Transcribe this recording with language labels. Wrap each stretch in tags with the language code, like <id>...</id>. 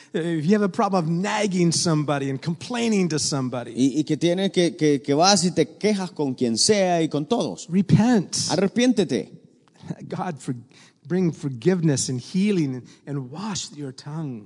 <en>If you have a problem of nagging somebody and complaining to somebody.</en> <es>Y que tiene que vas y te quejas con quien sea y con todos.</es> <en>Repent.</en> <es>Arrepiéntete.</es> <en>God bring forgiveness and healing and wash your tongue.</en>